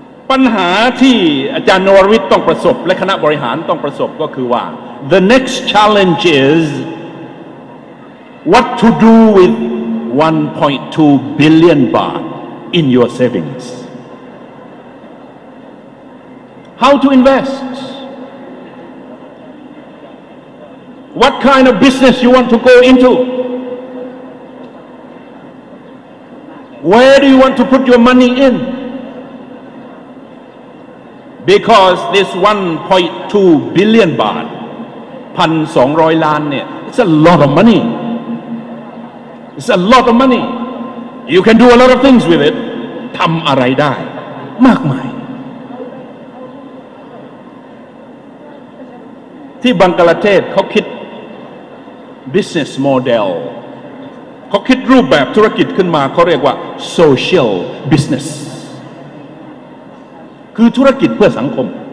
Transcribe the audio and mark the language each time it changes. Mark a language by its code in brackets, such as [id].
[th] ปัญหาที่อาจารย์นรวิทย์ต้องประสบและคณะบริหารต้องประสบก็คือว่า [en] the next challenge is what to do with 1.2 billion baht in your savings how to investWhat kind of business you want to go into? Where do you want to put your money in? Because this 1.2 billion baht, [th] 1,200 ล้านเนี่ย, [en] it's a lot of money. It's a lot of money. You can do a lot of things with it. [th] ทำอะไรได้มากมายที่บังกลาเทศเขาคิดBusiness model เขาคิดรูปแบบธุรกิจขึ้นมาเขาเรียกว่า social business คือธุรกิจเพื่อสังคม